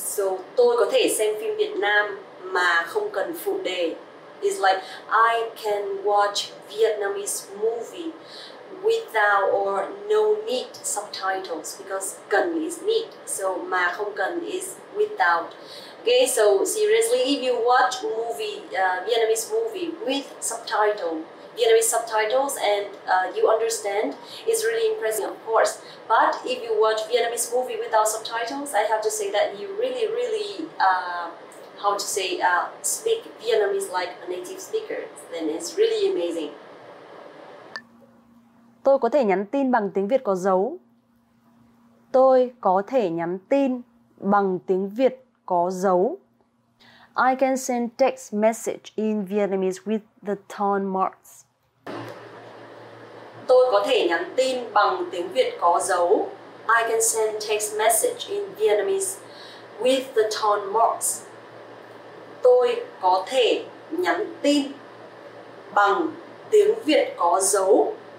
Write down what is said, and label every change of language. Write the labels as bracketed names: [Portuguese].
[Vietnamese] So tôi có thể xem phim Việt Nam mà không cần phụ đề. [English] It's like I can watch Vietnamese movie without or no need subtitles because cần is need. So mà không cần is without. Okay, so seriously, if you watch movie Vietnamese movie with subtitle, Vietnamese subtitles and you understand, it's really impressive, of course. But if you watch Vietnamese movie without subtitles, I have to say that you really, really, speak Vietnamese like a native speaker. Then it's really amazing. [Vietnamese] Tôi có thể nhắn tin bằng tiếng Việt có dấu. Tôi có thể nhắn tin bằng tiếng Việt có dấu. [English] I can send text message in Vietnamese with the tone marks. [Vietnamese] Tôi có thể nhắn tin bằng tiếng Việt có dấu. [English] I can send text message in Vietnamese with the tone marks. [Vietnamese] Tôi có thể nhắn tin bằng tiếng Việt có dấu.